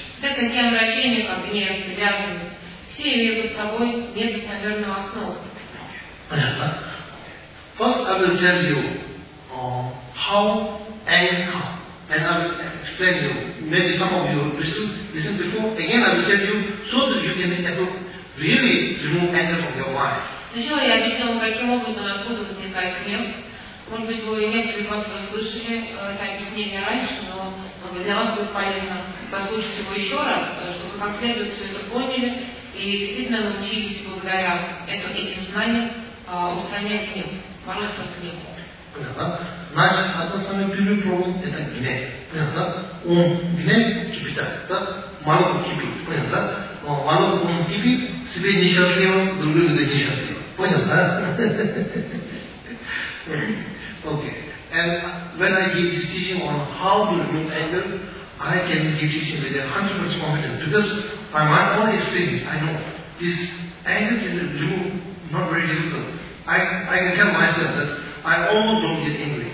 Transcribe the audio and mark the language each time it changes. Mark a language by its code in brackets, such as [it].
[en] First, I will tell you how anger comes. And I will explain you. Maybe some of you listen before. Again, I will tell you so that you can able really remove anger from your mind. [ru] Сначала я объяснил вам, каким образом откуда возникает гнев. Может быть, вы некоторые из вас прослышали это объяснение раньше, но для вас будет полезно послушать его еще раз, чтобы как следует все это поняли и действительно научились благодаря этим знаниям устранять гнев, бороться с гневом. Значит, одна самая первая проблема – это гнев. Понятно? Ум гнев кипит, да? Молоко кипит, понятно? Молоко ум кипит, себе несчастливо, другим людям несчастливо. Понятно? Okay. [en] And when I give this teaching on how to remove anger, I can give this teaching with 100% confidence. Because by my own experience, I know this anger can remove not very difficult. I can tell myself that I almost don't get angry.